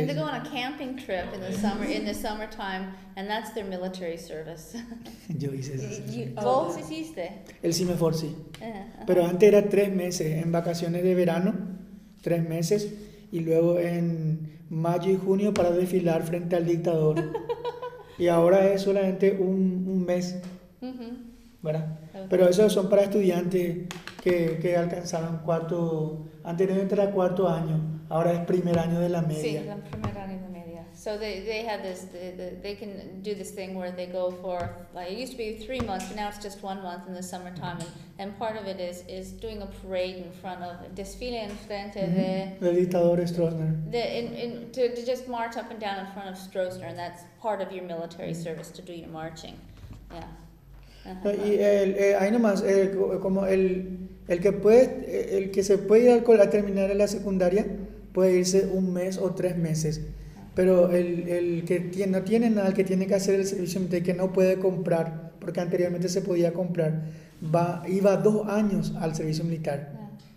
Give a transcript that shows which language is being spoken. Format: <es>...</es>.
<en>and they go on a camping trip in the summertime, and that's their military service.</en> <es>Yo hice eso. ¿Vos hiciste? El CIMEFOR, sí. Pero antes era 3 meses, en vacaciones de verano, 3 meses, y luego en mayo y junio para desfilar frente al dictador. Y ahora es solamente un mes, ¿verdad? Okay. Pero eso son para estudiantes que alcanzaron cuarto, antes de entrar a cuarto año. Ahora es primer año de la media. Sí, el primer año de media.</es> <en>So they have this, they can do this thing where they go for, like, it used to be 3 months, but now it's just 1 month in the summertime. And part of it is doing a parade in front of,</en> <es>desfile en frente de... El dictador Stroessner.</es> <en>To just march up and down in front of Stroessner, and that's part of your military service, to do your marching. Yeah. Uh-huh.</en> <es>Y ahí nomás, como el que se puede ir a terminar en la secundaria puede irse un mes o 3 meses, pero el que tiene que hacer el servicio militar, que no puede comprar, porque anteriormente se podía comprar, iba 2 años al servicio militar.</es>